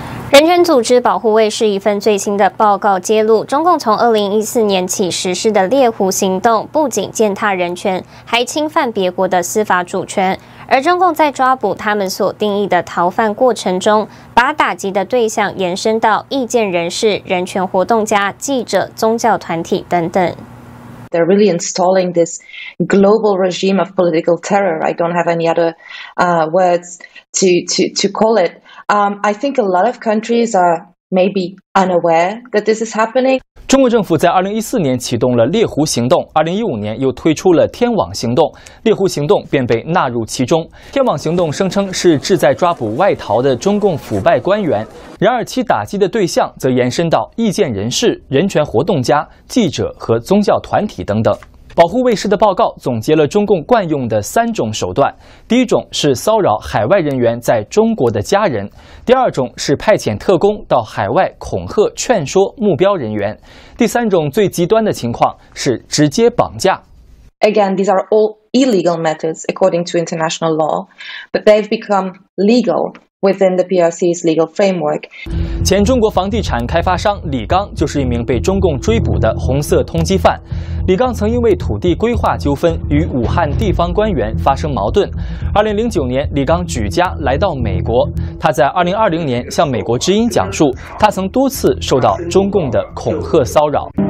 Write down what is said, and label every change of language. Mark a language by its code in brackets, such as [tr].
[zh] 人权组织保护卫士一份最新的报告揭露，中共从2014年起实施的猎狐行动不仅践踏人权，还侵犯别国的司法主权。而中共在抓捕他们所定义的逃犯过程中，把打击的对象延伸到意见人士、人权活动家、记者、宗教团体等等。 [en] They're really installing this global regime of political terror. I don't have any other words to call it. I think a lot of countries are maybe unaware that this is happening. [zh] 中国政府在2014年启动了猎狐行动，2015年又推出了天网行动，猎狐行动便被纳入其中。天网行动声称是旨在抓捕外逃的中共腐败官员，然而其打击的对象则延伸到意见人士、人权活动家、记者和宗教团体等等。保护卫士的报告总结了中共惯用的三种手段，第一种是骚扰海外人员在中国的家人，第二种是派遣特工到海外恐吓劝说目标人员，第三种最极端的情况是直接绑架。 [en] Again, these are all illegal methods according to international law, but they've become legal within the PRC's legal framework. [zh] 前中国房地产开发商李刚就是一名被中共追捕的红色通缉犯。李刚曾因为土地规划纠纷与武汉地方官员发生矛盾。 2009年，李刚举家来到美国。他在2020年向美国之音讲述，他曾多次受到中共的恐吓骚扰。